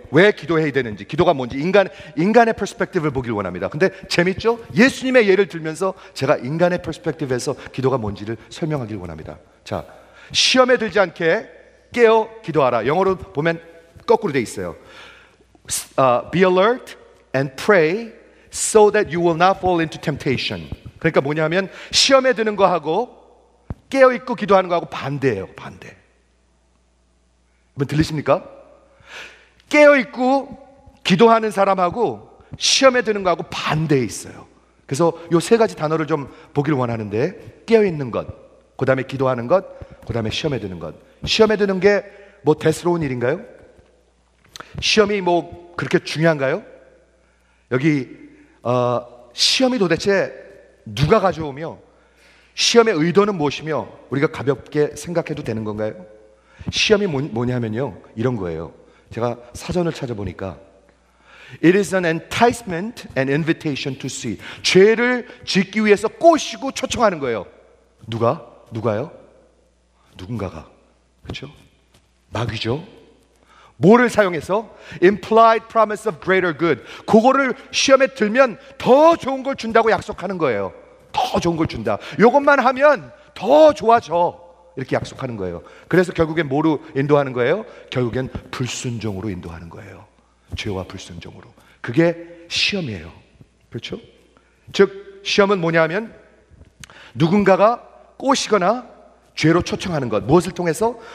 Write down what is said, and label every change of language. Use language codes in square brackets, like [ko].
[ko] 왜 기도해야 되는지, 기도가 뭔지 인간의 퍼스펙티브를 보길 원합니다. 근데 재밌죠? 예수님의 예를 들면서 제가 인간의 퍼스펙티브에서 기도가 뭔지를 설명하길 원합니다. 자, 시험에 들지 않게 깨어 기도하라. 영어로 보면 거꾸로 돼 있어요. [en] Be alert and pray so that you will not fall into temptation. [ko] 그러니까 뭐냐면 시험에 드는 거하고 깨어있고 기도하는 거하고 반대예요. 반대. 여러분 들리십니까? 깨어있고 기도하는 사람하고 시험에 드는 거하고 반대에 있어요. 그래서 요 세 가지 단어를 좀 보기를 원하는데 깨어있는 것, 그 다음에 기도하는 것, 그 다음에 시험에 드는 것. 시험에 드는 게 뭐 대수로운 일인가요? 시험이 뭐 그렇게 중요한가요? 여기 시험이 도대체 누가 가져오며 시험의 의도는 무엇이며 우리가 가볍게 생각해도 되는 건가요? 시험이 뭐냐면요 이런 거예요. 제가 사전을 찾아보니까 [en] It is an enticement and invitation to see. [ko] 죄를 짓기 위해서 꼬시고 초청하는 거예요. 누가? 누가요? 누군가가. 그렇죠? 마귀죠? 뭐를 사용해서? [en] Implied promise of greater good. [ko] 그거를 시험에 들면 더 좋은 걸 준다고 약속하는 거예요. 더 좋은 걸 준다. 이것만 하면 더 좋아져. 이렇게 약속하는 거예요. 그래서 결국엔 뭐로 인도하는 거예요? 결국엔 불순종으로 인도하는 거예요. 죄와 불순종으로. 그게 시험이에요. 그렇죠? 즉 시험은 뭐냐면 누군가가 꼬시거나 죄로 초청하는 것. 무엇을 통해서?